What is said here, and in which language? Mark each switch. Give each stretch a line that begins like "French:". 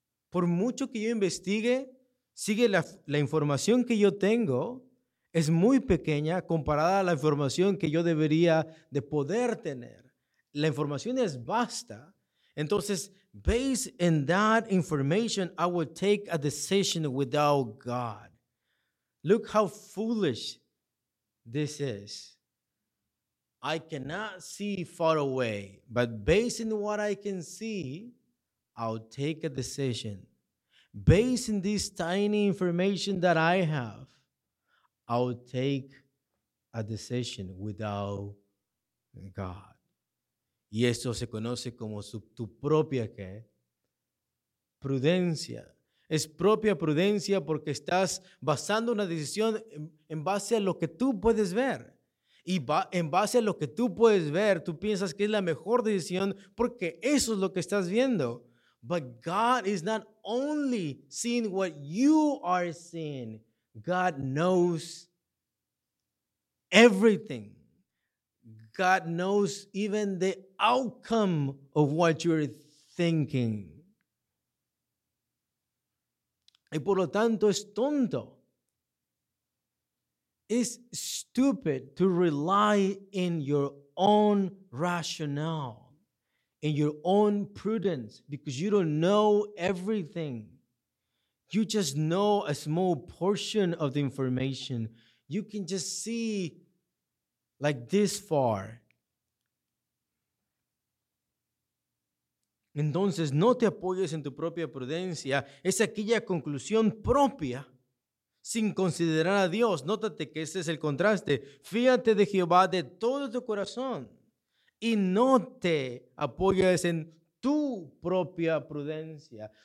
Spanish: Por mucho que yo investigue, sigue la información que yo tengo. Es muy pequeña comparada a la información que yo debería de poder tener. La información es vasta.
English: Entonces, based in that information, I will take a decision without God. Look how foolish this is. I cannot see far away, but based on what I can see, I'll take a decision. Based on this tiny information that I have, I'll take a decision without God.
Spanish: Y eso se conoce como tu propia ¿qué? Prudencia. Es propia prudencia porque estás basando una decisión en base a lo que tú puedes ver. Y en base a lo que tú puedes ver, tú piensas que es la mejor decisión porque eso es lo que estás viendo.
English: But God is not only seeing what you are seeing. God knows everything. God knows even the outcome of what you're thinking.
Spanish: Y por lo tanto es tonto.
English: It's stupid to rely in your own rationale, in your own prudence, because you don't know everything. You just know a small portion of the information. You can just see like this far.
Spanish: Entonces, no te apoyes en tu propia prudencia. Es aquella conclusión propia sin considerar a Dios. Nótate que ese es el contraste. Fíate de Jehová de todo tu corazón y no te apoyes en tu propia prudencia.